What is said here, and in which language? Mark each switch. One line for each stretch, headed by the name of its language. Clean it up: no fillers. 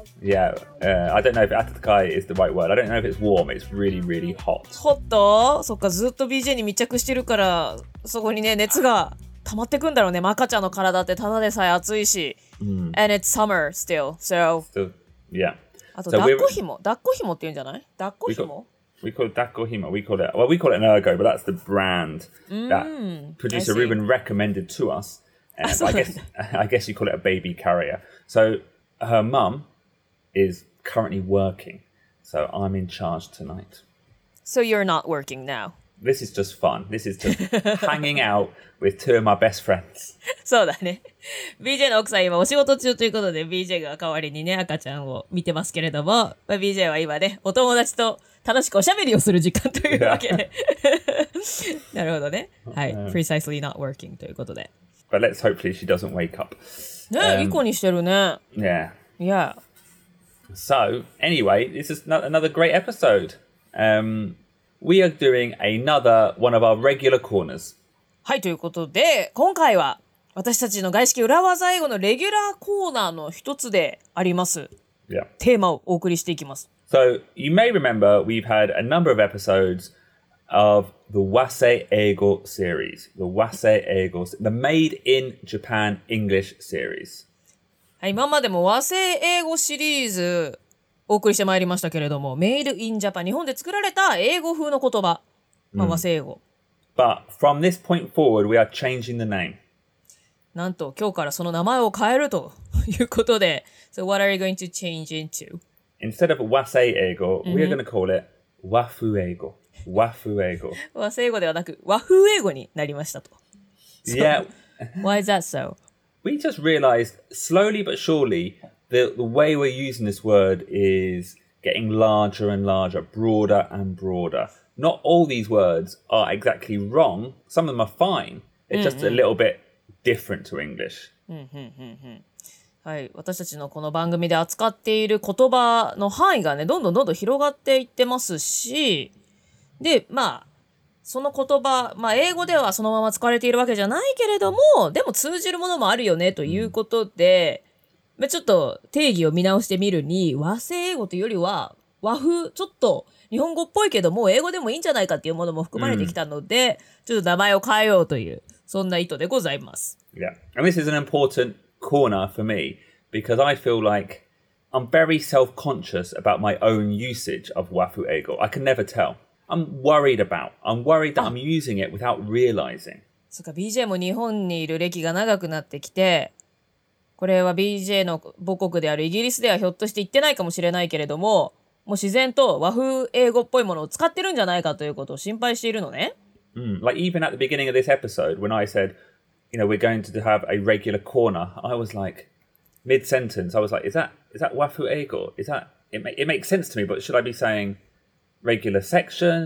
English: Yeah, I don't know if あったかい is the right word. I don't know if it's warm. It's really, really hot. Hot?
Japanese: そっか、ずっと BJ に密着してるから、そこにね、熱が溜まってくんだろうね。赤ちゃんの体ってただでさえ暑いし。
English: Mm. And it's summer still, so... Still, yeah.
Japanese: あと、抱っこひもって言うんじゃない抱っこひも
English: We call it 抱っこひも。 We call it an ergo, but that's the brand that producer Ruben recommended to us. I guess you call it a baby carrier. So her mum is currently working. So I'm in charge tonight. So you're not working now. This is just fun. This is just hanging out with two of my best friends.
Japanese: そうだね。 BJ の奥さん今お仕事中ということで BJ が代わりにね赤ちゃんを見てますけれども、まあ、BJ は今ねお友達と楽しくおしゃべりをする時間というわけで、yeah. なるほどね、はい、
English: Precisely not working
Japanese: ということで
English: But let's hopefully she doesn't wake up
Japanese: ね、いい子にしてるね
English: Yeah Yeah So anyway, this is another great episode We are doing another one of our regular corners
Japanese: はい、ということで今回は私たちの外資系裏技英語のレギュラーコーナーの一つであります。
English: Yeah.
Japanese: テーマをお送りしていきます。
English: So, you may remember we've had a number of episodes of the Wase Eigo series. The Wase Eigo, the Made in Japan English series.
Japanese: はい、今までも Wase Eigo シリーズお送りしてまいりましたけれども、Made in Japan、日本で作られた英語風の言葉、まあ、Wase Eigo。
English: But from this point forward, we are changing the name.
Japanese: なんと今日からその名前を変えるということで
English: So what are you going to change into? Instead of 和製英語、mm-hmm. We are going to call it 和風英語和風英語
Japanese: 和製英語ではなく和風英語になりましたと
English: so, Yeah Why is that so? We just realized slowly but surely the way we're using this word is getting larger and larger broader and broader Not all these words are exactly wrong Some of them are fine It's just、mm-hmm. a little bitDifferent to English.
Japanese: はい、私たちのこの番組で扱っている言葉の範囲がね、どんどんどんどん広がっていってますし、で、まあ、その言葉、まあ、英語ではそのまま使われているわけじゃないけれども、でも通じるものもあるよねということで、mm-hmm. まあ、ちょっと定義を見直してみるに、和製英語というよりは、和風、ちょっと日本語っぽいけども、英語でもいいんじゃないかっていうものも含まれてきたので、mm-hmm. ちょっと名前を変えようという。そんな意図でございます。
English: Yeah. And this is an important corner for me because I feel like I'm very self-conscious about my own usage of 和風英語. I can never tell. I'm worried that I'm using it without realizing.
Japanese: そうか、BJ も日本にいる歴が長くなってきて、これは BJ の母国であるイギリスではひょっとして言ってないかもしれないけれども、もう自然と和風英語っぽいものを使ってるんじゃないかということを心配しているのね。 Mm.
English: Like even at the beginning of this episode, when I said, you know, we're going to have a regular corner, I was like, mid-sentence, I was like, is that 和風英語? It makes sense to me, but should I be saying regular section?